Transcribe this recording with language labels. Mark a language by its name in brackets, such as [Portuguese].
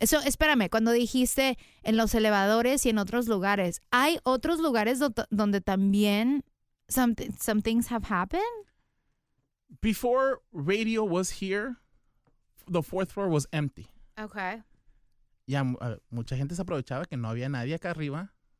[Spanish] So, espérame, cuando dijiste en los elevadores y en otros lugares, ¿hay otros lugares donde también [English] some things have happened? Before radio was here, the fourth floor was empty. Okay. [Spanish] Ya mucha gente se aprovechaba que no había nadie acá arriba.